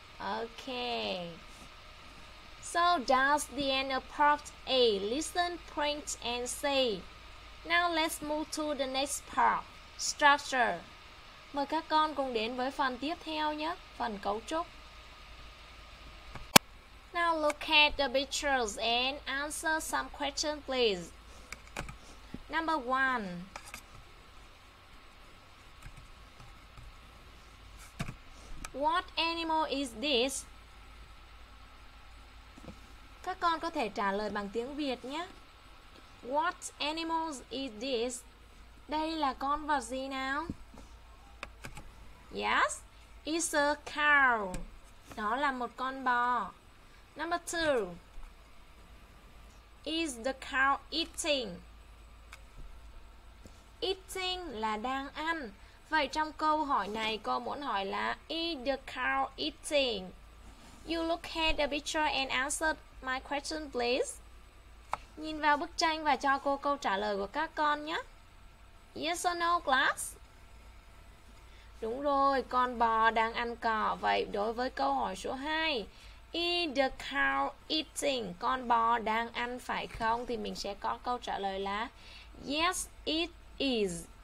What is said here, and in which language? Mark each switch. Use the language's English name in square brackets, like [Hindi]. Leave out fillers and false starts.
[English] Okay. So that's the end of part A. Listen, print, and say. Now let's move to the next part. Structure. [Vietnamese] Mời các con cùng đến với phần tiếp theo nhé. Phần cấu trúc. [English] Now look at the pictures and answer some questions, please. Number one. What animal is this? [Vietnamese] Các con có thể trả lời bằng tiếng Việt nhé. [English] What animals is this? [Vietnamese] Đây là con vật gì nào? [English] Yes, it's a cow. [Vietnamese] Đó là một con bò. [English] Number two. Is the cow eating? [Vietnamese] Eating là đang ăn. Vậy trong câu hỏi này cô muốn hỏi là [English] is the cow eating? You look at the picture and answer my question please. [Vietnamese] Nhìn vào bức tranh và cho cô câu trả lời của các con nhé. [English] Yes or no class? [Vietnamese] Đúng rồi, con bò đang ăn cỏ. Vậy đối với câu hỏi số 2, [English] is the cow eating? [Vietnamese] Con bò đang ăn phải không? Thì mình sẽ có câu trả lời là [English] yes it is.